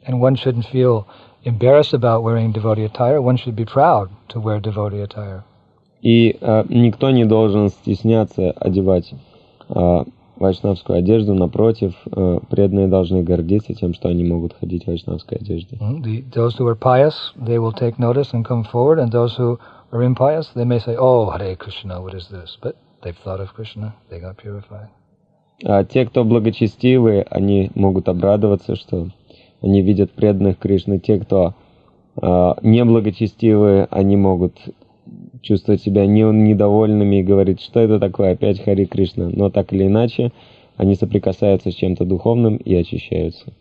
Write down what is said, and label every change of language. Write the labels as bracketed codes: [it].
[en] And one shouldn't feel embarrassed about wearing devotee attire. One should be proud to wear devotee attire. [ru] И никто не должен стесняться одевать вайшнавскую одежду. Напротив, преданные должны гордиться тем, что они могут ходить в вайшнавской одежде. [en] Those who are pious, they will take notice and come forward, and those who are impious, they may say, "Oh, Hare Krishna, what is this?" But they've thought of Krishna, they got purified. [ru] Те, кто благочестивы, они могут обрадоваться, что они видят преданных Кришны. Те, кто неблагочестивы, они могут чувствовать себя недовольными и говорить, что это такое, опять Хари Кришна. Но так или иначе, они соприкасаются с чем-то духовным и очищаются.